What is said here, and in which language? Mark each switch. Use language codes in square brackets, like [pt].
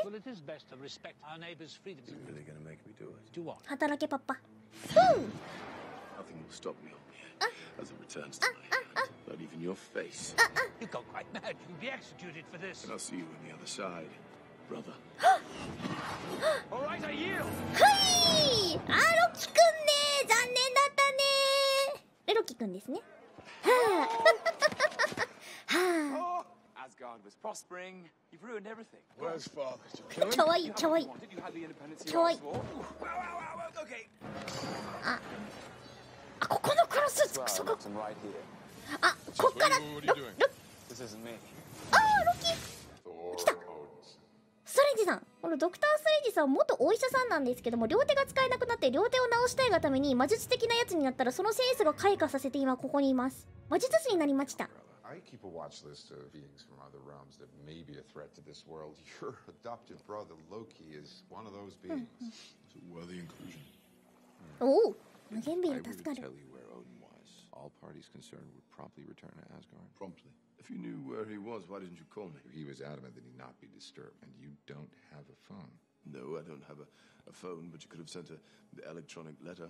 [en] Well, it is best to respect our neighbor's freedom. You're really gonna make me do it. Do what? [ja] 働けパパ。 [en] Nothing will stop me up here as it returns to my hand. Not even your face. You got quite mad. You'll be executed for this. And I'll see you on the other side, brother. All right, I yield. [ja] はい、アロキ君ね、残念だったね。エロキ君ですね。はあ。はあ。 [en] Asgard was prospering. You've ruined everything. Where's father? [ja] かわいい、かわいい。かわいい。あ、あ、ここのクロス、そこ。あ、こっから、 [en] This isn't me. [ja] あ、ロキ。来た。ストレンジさん、このドクター・ストレンジさんは元お医者さんなんですけども、両手が使えなくなって両手を治したいがために魔術的なやつになったら、そのセンスが開花させて今ここにいます。魔術師になりました。 [en] I keep a watch list of beings from other realms that may be a threat to this world. Your adopted brother Loki is one of those beings. It's a worthy inclusion. [ja] おお、無限ビール助かる。 [en] I will tell you where Odin was. All parties concerned would promptly return to Asgard. Promptly? If you knew where he was, why didn't you call me? He was adamant that he not be disturbed, and you don't have a phone. No, I don't have a phone, but you could have sent an electronic letter.